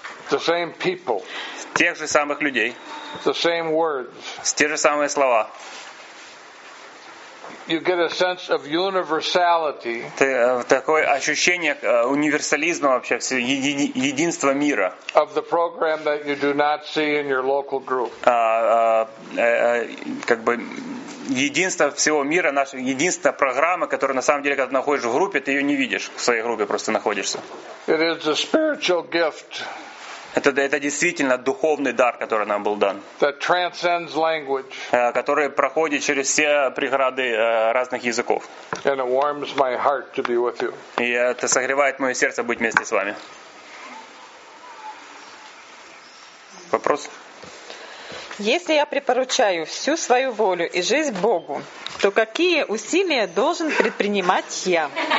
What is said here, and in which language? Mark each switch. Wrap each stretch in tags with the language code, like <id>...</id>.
<en>The same people.</en> <ru>Тех же самых людей.</ru> <en>The same words.</en> <ru>Те же самые слова.</ru> <en>You get a sense of universality.</en> <ru>Такое ощущение универсализма вообще, единства мира.</ru> <en>Of the program that you do not see in your local group.</en> <ru>Как бы единство всего мира, наша единственная программа, которая на самом деле, когда ты находишь в группе, ты ее не видишь. В своей группе просто находишься.</ru> <en>It is a spiritual gift.</en> <ru>Это действительно духовный дар, который нам был дан.</ru> <en>That transcends language.</en> <ru>Который проходит через все преграды разных языков.</ru> <en>And it warms my heart to be with you.</en> <ru>И это согревает мое сердце быть вместе с вами. Вопрос? Если я препоручаю всю свою волю и жизнь Богу, то какие усилия должен предпринимать я?</ru>